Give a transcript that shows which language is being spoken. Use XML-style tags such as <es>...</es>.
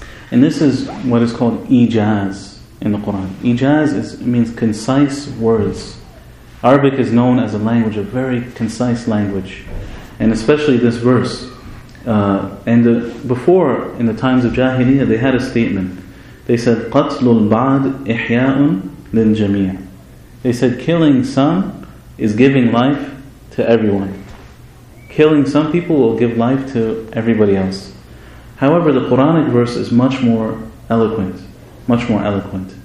<en>And this is what is called ijaz in the Quran. Ijaz means concise words. Arabic is known as a language, a very concise language. And especially this verse. Before, in the times of Jahiliyyah, they had a statement. They said,</en> <ar>قَتْلُ الْبَعْدِ إِحْيَاءٌ لِلْجَمِيعِ.</ar> <en>They said, killing some is giving life to everyone. Killing some people will give life to everybody else. However, the Quranic verse is much more eloquent. Much more eloquent.</en>